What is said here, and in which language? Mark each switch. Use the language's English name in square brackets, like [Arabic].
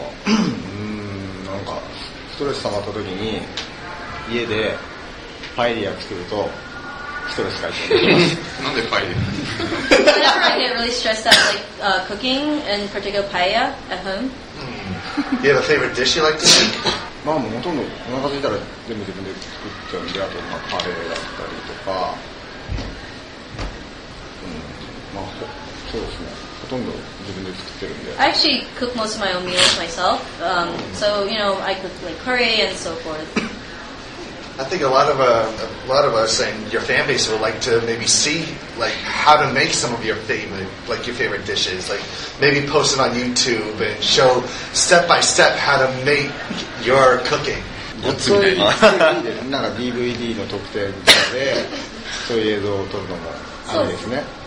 [Japanese] なんかストレス溜まった時に家でパエリア作るとストレス解消できます。なんでパエリア？ [English] Whenever I get really stressed out, like cooking, and particular paella at home. Do you have a favorite dish you like to make? [Japanese] まあもうほとんどお腹空いたら全部自分で作っちゃうんで、あとまあカレーだったりとか、まあそうですね。ほとんど自分で作ってるんで。 [English] I actually cook most of my own meals myself. So you know, I cook like curry and so forth. I think a lot of us and your fan base would like to maybe see like how to make some of your favorite like your favorite dishes, like maybe post it on YouTube and show step by step how to make your cooking. That's really good. [Japanese] なんか DVD の特典とかでそういう映像を撮るのもあれですね。